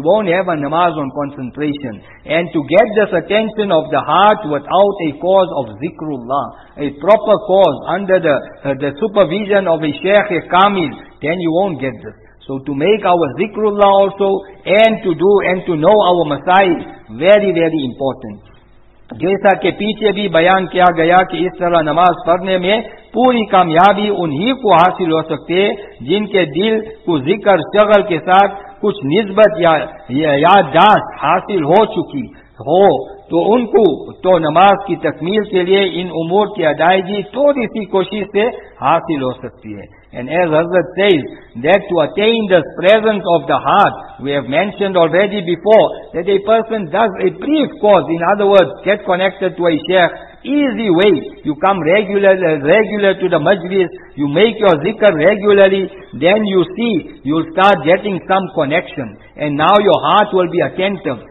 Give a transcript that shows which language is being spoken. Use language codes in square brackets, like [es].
[en] You won't have a namaz on concentration. And to get this attention of the heart without a cause of zikrullah, a proper cause under the supervision of a shaykh, a kamil, then you won't get this. So to make our zikrullah also, and to do, and to know our masail, very, very important. [ur] جیسا کہ پیچھے بھی بیان کیا گیا کہ اس طرح نماز پڑھنے میں پوری کامیابی انہی کو حاصل ہو سکتے جن کے دل کو ذکر شغل کے ساتھ کچھ نسبت یا یادداشت حاصل ہو چکی ہو تو ان کو تو نماز کی تکمیل کے لیے ان امور کی ادائیگی تھوڑی سی کوشش سے حاصل ہو سکتی ہے. [en] And as Hazrat says, that to attain the presence of the heart, we have mentioned already before, that a person does a brief course, in other words, get connected to a sheikh, easy way, you come regular to the majlis, you make your zikr regularly, then you see, you'll start getting some connection, and now your heart will be attentive.